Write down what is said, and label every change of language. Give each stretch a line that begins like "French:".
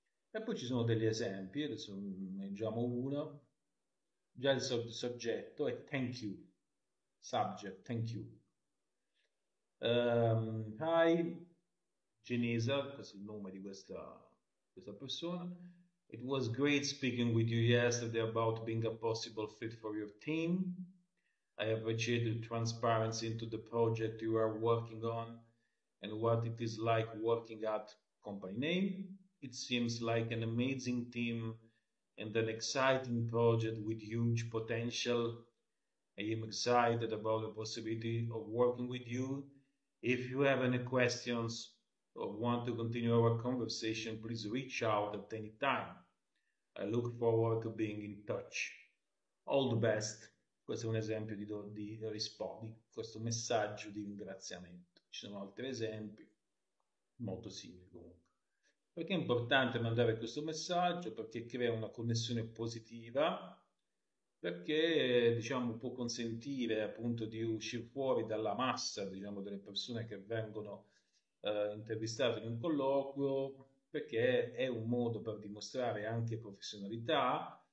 Italian: E poi ci sono degli esempi, adesso ne leggiamo uno, già il soggetto è
English: thank you, subject, thank you.
Italian: Hi, Genesa, questo è il nome di questa persona.
English: It was great speaking with you yesterday about being a possible fit for your team. I appreciate the transparency into the project you are working on and what it is like working at company name. It seems like an amazing team and an exciting project with huge potential. I am excited about the possibility of working with you. If you have any questions or want to continue our conversation, please reach out at any time. I look forward to being in touch. All the best.
Italian: Questo è un esempio di rispondi, questo messaggio di ringraziamento. Ci sono altri esempi, molto simili comunque. Perché è importante mandare questo messaggio? Perché crea una connessione positiva, perché diciamo, può consentire appunto di uscire fuori dalla massa, diciamo, delle persone che vengono intervistate in un colloquio, perché è un modo per dimostrare anche professionalità.